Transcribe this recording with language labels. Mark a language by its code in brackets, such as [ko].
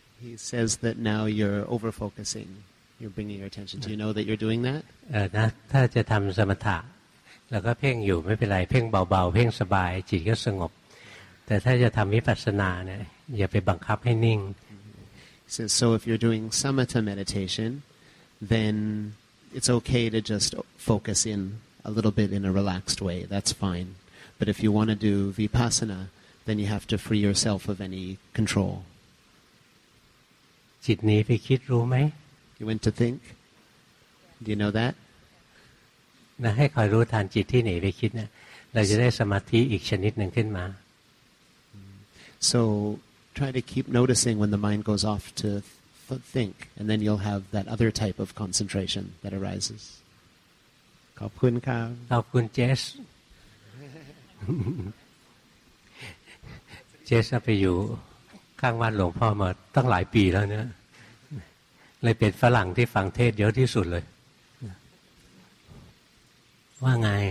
[en] He says that now you're over focusing you're bringing your attention do you know that you're doing that [th] นะถ้าจะทำสมถะแล้วก็เพ่งอยู่ไม่เป็นไรเพ่งเบาๆเพ่งสบายจิตก็สงบแต่ถ้าจะทำวิปัสสนาเนี่ยอย่าไปบังคับให้นิ่ง [en] So if you're doing samatha meditation then it's okay to just focus in a little bit in a relaxed way that's fine but if you want to do vipassana then you have to free yourself of any control [th] จิตนี้ไปคิดรู้ไหม [en] You went to think Do you know that [th] นะให้คอยรู้ทันจิตที่หนีไปคิดเนี่ยเราจะได้สมาธิอีกชนิดนึงขึ้นมา [en] So try to keep noticing when the mind goes off to think, and then you'll have that other type of concentration that arises. [th] ขอบคุณครับ ขอบคุณเจส เจสไปอยู่ข้างบ้านหลวงพ่อมาตั้งหลายปีแล้วเนี่ยเลยเป็นฝรั่งที่ฟังเทศเยอะที่สุดเลยว่าไง